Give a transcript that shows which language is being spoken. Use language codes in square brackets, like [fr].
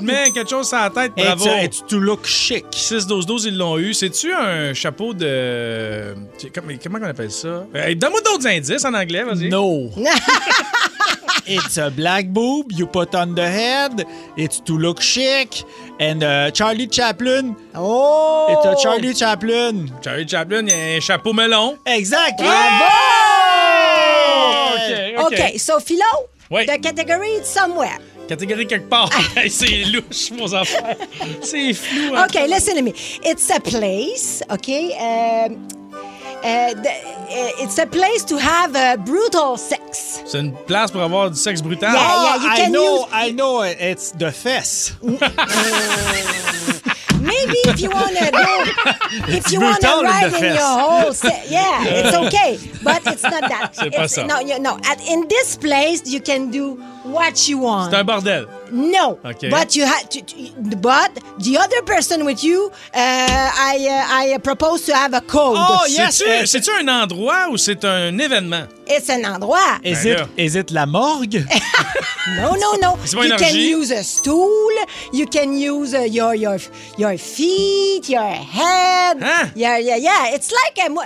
[fr] Tu te mets quelque chose sur la tête. Bravo. [en] It's to look chic. [fr] 6-12-12 ils l'ont eu. C'est-tu un chapeau de comment on appelle ça? Donne-moi d'autres indices en anglais, vas-y. [en] No. It's a black boob you put on the head. It's to look chic. And Charlie Chaplin. Oh! It's a Charlie Chaplin. [fr] Charlie Chaplin, il y a un chapeau melon. Exact. Bravo! Yeah! [en] Okay. OK, so Philo, the category is somewhere. [fr] Catégorie quelque part. C'est louche, mon affaire. C'est flou. [en] Hein? OK, listen to me. It's a place, OK? It's a place to have brutal sex. [fr] C'est une place pour avoir du sexe brutal. [en] Yeah, yeah, you can use... I know, it's the fesses. Maybe if you want to go... If you want to ride in your whole... Yeah, it's okay. But it's not that. [fr] C'est pas ça. [en] No. In this place, you can do what you want. [fr] C'est un bordel. [en] No. Okay. But you have to, but the other person with you, I propose to have a code. Oh, yes. [fr] C'est-tu un endroit ou c'est un événement? [en] It's an endroit. Is it [fr] la morgue? [en] No. You can use a stool. You can use your feet, your head. Hein? Yeah. It's like a...